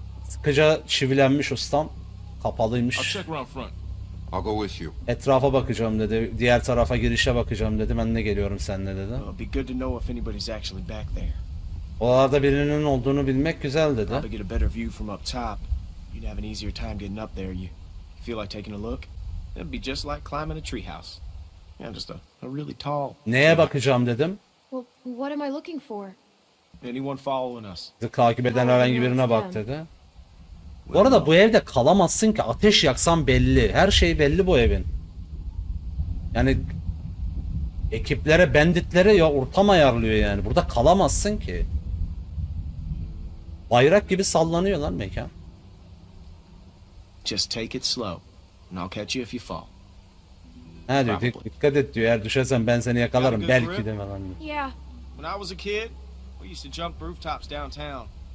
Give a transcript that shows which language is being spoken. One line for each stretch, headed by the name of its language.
Turkish: Sıkıca çivilenmiş ustam. Kapalıymış.
English: I'll check around front. I'll go with you.
Turkish: Etrafa bakacağım dedi. Diğer tarafa girişe bakacağım dedi. Ben de geliyorum seninle dedi.
English: It'll be good to know if anybody's actually back there.
Turkish: Oralarda birinin olduğunu bilmek güzel dedi.
English: Probably get a better view from up top. You'd have an easier time getting up there. You feel like taking a look? It'd be just like climbing a treehouse. Yeah, just a really tall.
Turkish: Neye bakacağım dedim?
English: Well, what am I looking for? Anyone following us?
Turkish: Takip eden herhangi birine bak dedi. Bu arada bu evde kalamazsın ki, ateş yaksan belli. Her şey belli bu evin. Yani ekiplere, banditlere ya ortam ayarlıyor yani. Burada kalamazsın ki. Bayrak gibi sallanıyor lan mekan.
English: Just take it slow and I'll catch you if you fall.
Turkish: Ha diyor, dikkat et diyor. Eğer düşersen ben seni yakalarım belki de falan.
English: Yeah. When I was a kid, we used to jump rooftops downtown.